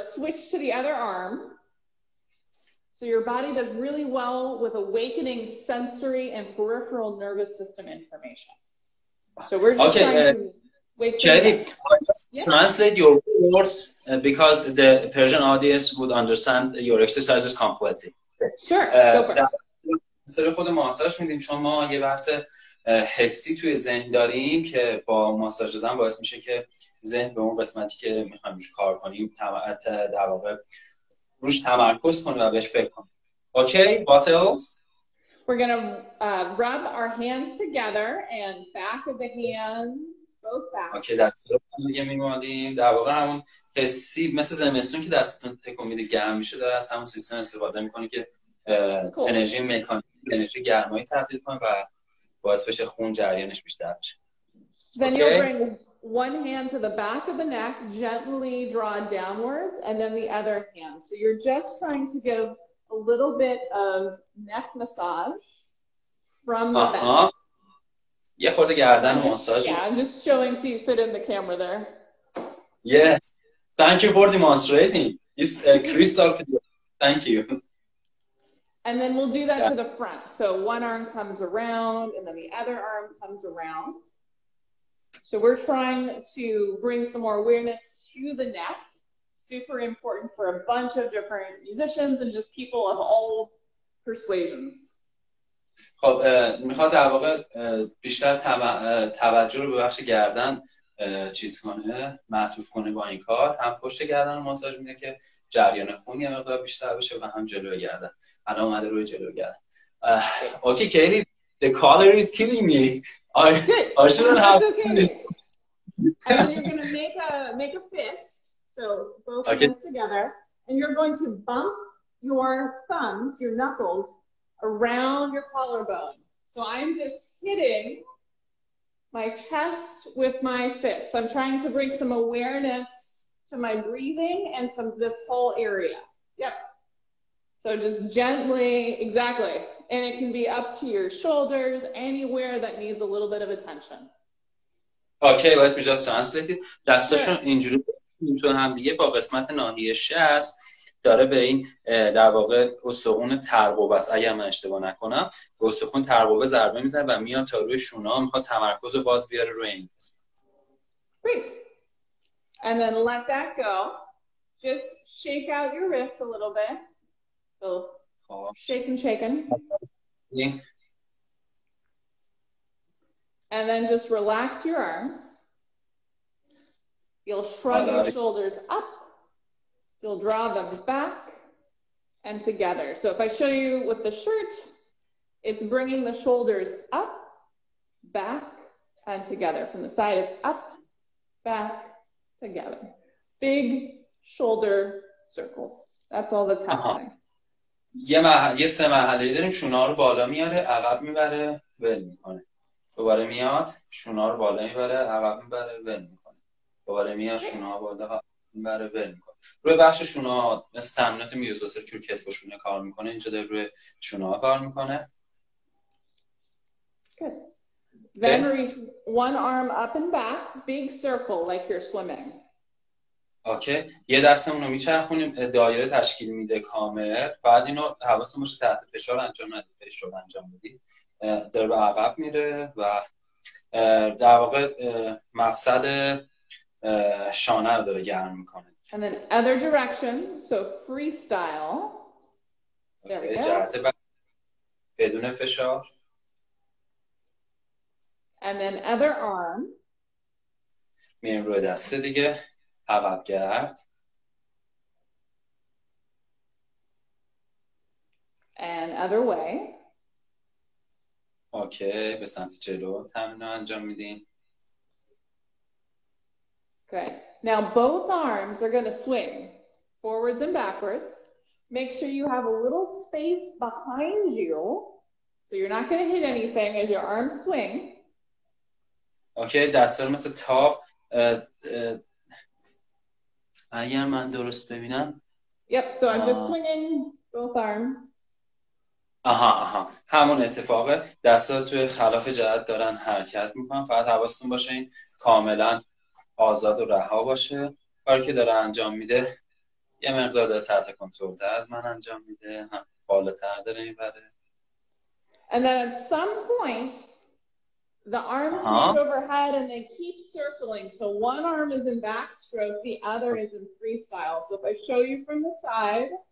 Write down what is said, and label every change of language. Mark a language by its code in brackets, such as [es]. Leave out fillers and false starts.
[en] Switch to the other arm. So your body does really well with awakening sensory and peripheral nervous system information. So we're just Translate your words because the Persian audience would understand your exercises completely. Sure. For the massage, we need some more. We have a [fa] حسی توی ذهن داریم که با ماساژ دادن باعث میشه که ذهن به اون قسمتی که میخوایم روش کار کنیم تمعت در واقع روش تمرکز کنه و بهش فکر کنه. [en] Okay, what else? We're gonna rub our hands together and back of the hands, both backs. [fa] Okay, دست رو هم دیگه میمالیم. در واقع همون حسی مثل زمستون که دستتون تکون میده گرم میشه داره از همون سیستم استفاده میکنه که انرژی مکانیک انرژی گرمایی تبدیل کنه و باعث بشه خون جریانش بیشتر بشه. [en] Then you'll bring one hand to the back of the neck, gently draw downwards, and then the other hand. So you're just trying to give a little bit of neck massage from the back. [fa] یه خورده گردن ماساژ. [en] Yeah, I'm just showing so you fit in the camera there. Yes. Thank you for demonstrating. It's crystal clear. Thank you. And then we'll do that to the front. So one arm comes around, and then the other arm comes around. So we're trying to bring some more awareness to the neck. Super important for a bunch of different musicians and just people of all persuasions. [fa] خب میخواد در واقع بیشتر توجه رو به بخش گردن چیز کنه، معطوف کنه با این کار، هم پشت گردن رو ماساژ میده که جریان خون یه مقدار بیشتر بشه و هم جلوی گردن. الان اومده روی جلوی گردن. [en] Okay کیلی، the color is killing me. I shouldn't have. You're gonna make a fist, so both hands together, and you're going to bump your thumbs, your knuckles, around your collarbone. So I'm just hitting my chest with my fist. I'm trying to bring some awareness to my breathing and some this whole area. Yep. So just gently, exactly. And it can be up to your shoulders, anywhere that needs a little bit of attention. Okay, let me just translate it. [fa] دستشون اینجوری تو هم دیگه با قسمت ناحیه شست داره به این در واقع استخون ترقوه است اگر من اشتباه نکنم به استخون ترقوه ضربه میزنه و میاد تا روی شونه ها میخواد تمرکز رو باز بیاره روی این قسمت. [en] Great. And then let that go. Just shake out your wrists a little bit. So shaking. And then just relax your arms. You'll shrug your shoulders up. You'll draw them back and together. So if I show you with the shirt, it's bringing the shoulders up, back, and together from the side. It's up, back, together. Big shoulder circles. That's all that's happening. [fa] یه سه مرحله داریم، شونا رو بالا میاره، عقب میبره، ول میکنه. دوباره میاد، شونا رو بالا میبره، عقب میبره، ول میکنه. دوباره میاد، شونا رو بالا میبره، ول میکنه. روی بخش شونا مثل تمرینات میوز باسر کرکت با شونا کار میکنه، اینجا داره روی شونا کار میکنه. [en] Good. Then reach one arm up and back, big circle like you're swimming. [fa] اوکی یه دستمون رو میچرخونیم، دایره تشکیل میده کامل. بعد اینو حواستون باشه تحت فشار انجام ندید، فشار انجام بدید. داره به عقب میره و در واقع مفصل شانه رو داره گرم میکنه. [en] And then other direction, so freestyle. [fa] Okay. جهت بدون فشار. [en] And then other arm. [fa] میریم روی دسته دیگه، عقب گرد. [en] And other way. [fa] اوکی، به سمت جلو تمرین رو انجام میدیم. [en] Good. Now both arms are going to swing forwards and backwards. Make sure you have a little space behind you so you're not going to hit anything as your arms swing. [fa] اوکی، دست رو مثل تاپ اگر من درست ببینم. [en] Yep, so I'm just swinging both arms. [fa] آها. همون اتفاقه. دستات توی خلاف جهت دارن حرکت میکنن. فقط حواستون باشه این کاملا آزاد و رها باشه. کاری که داره انجام میده یه مقدار داره تحت کنترل تر از من انجام میده. هم بالاتر داره میبره. [en] And then at some point the arms reach overhead and they keep circling. So one arm is in backstroke, the other is in freestyle. So if I show you from the side.